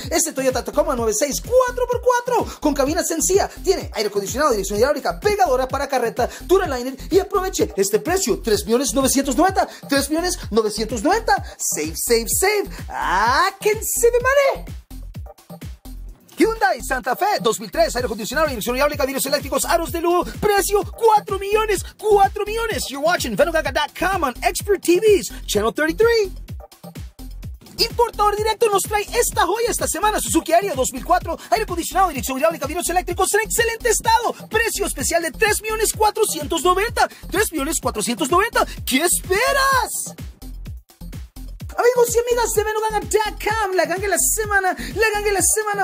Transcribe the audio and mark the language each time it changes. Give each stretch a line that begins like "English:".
Spanish: Este Toyota Tacoma 96 4x4 con cabina sencilla, tiene aire acondicionado, dirección hidráulica, pegadora para carreta, Duraliner, y aproveche este precio, 3.990.000. 3.990.000. Save. ¡Ah, que se me mare! Hyundai Santa Fe 2003, aire acondicionado, dirección hidráulica, vidrios eléctricos, aros de lujo, precio 4 millones. 4 millones.
English: You're watching Venugaga.com on Expert TVs, Channel 33.
Spanish: Importador Directo nos trae esta joya esta semana, Suzuki Ariya 2004, aire acondicionado, dirección hidráulica, vidrios eléctricos, en excelente estado, precio especial de 3.490.000. 3.490.000. ¿Qué esperas? Amigos y amigas de Venuganga.com, la ganga de la semana, la ganga de la semana.